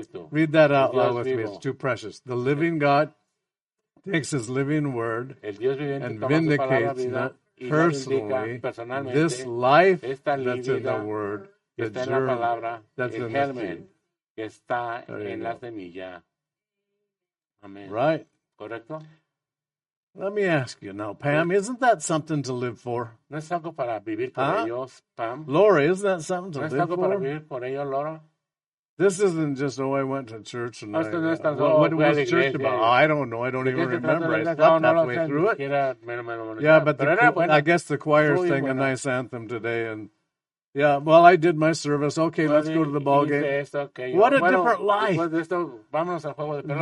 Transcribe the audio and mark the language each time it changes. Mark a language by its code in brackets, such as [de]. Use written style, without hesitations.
[en] Read that out loud with me. It's too precious. The living God takes his living word and vindicates not personally this life that's in the word, the germ that's in the seed. [es] Que está en la semilla. Amen. [en] Right. [es] Correcto. [en] Let me ask you now, Pam, isn't that something to live for? [es] ¿No es algo para vivir por ellos, Pam? [en] Laura, isn't that something to live for? [es] ¿No es algo para vivir por ellos, Laura? [en] This isn't just, oh, I went to church and [es] esto no [en] I, what was church [es] iglesia [en] about? Oh, I don't know. I don't even remember. I stopped halfway through it. Yeah, but I guess the choir sang a nice anthem today and... Yeah, well, I did my service. Okay, let's go to the ball game. What a different life.